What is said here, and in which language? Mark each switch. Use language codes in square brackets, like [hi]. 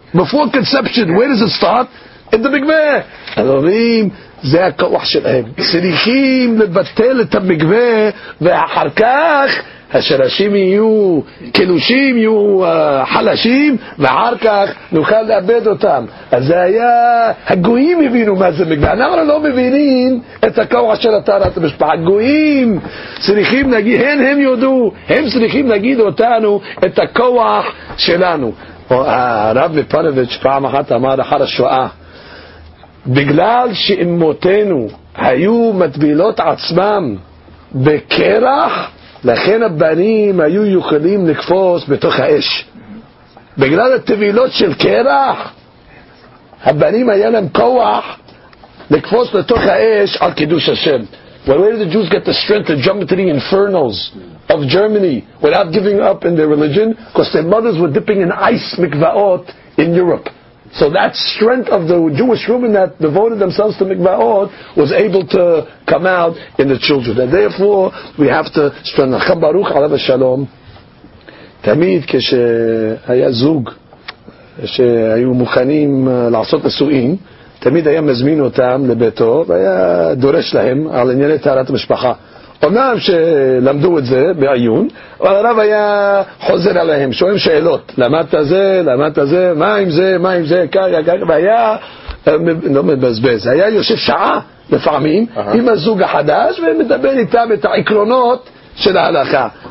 [en] Before conception, where does it start? In the מקווה. [he] אומרים, זה הכוח שלהם. צריכים לבטל את המקווה, ואחר כך השרשים יהיו קלושים, יהיו חלשים, ואחר כך נוכל לאבד אותם. אז זה היה, הגויים הבינו מה זה מקווה. אנחנו לא מבינים את הכוח של הטהרת המשפחה. הגויים צריכים להגיד, הם יודעו, הם צריכים להגיד אותנו את הכוח שלנו. הרב מפנוביץ' פעם אחת אמר אחר השואה, בגלל שאמותינו היו מטבילות עצמם בקרח, לכן הבנים היו יכולים לקפוץ בתוך האש. בגלל הטבילות של קרח, הבנים היה להם כוח לקפוץ לתוך האש על קידוש השם. [en] Where did the Jews get the strength to jump into the infernals of Germany without giving up in their religion? Because their mothers were dipping in ice mikvaot in Europe. So that strength of the Jewish women that devoted themselves to mikvaot was able to come out in the children. And therefore, we have to strengthen. [he] Chacham Baruch Alav HaShalom, תמיד כשהיה זוג שהיו מוכנים לעשות נשואים, תמיד היה מזמין אותם לביתו והיה דורש להם על ענייני טהרת המשפחה. אומנם שלמדו את זה בעיון, אבל הרב היה חוזר עליהם, שואלים שאלות, למדת זה, למדת זה, מה עם זה, מה עם זה, כך, והיה, לא מבזבז, היה יושב שעה לפעמים עם הזוג החדש ומדבר איתם את העקרונות של ההלכה.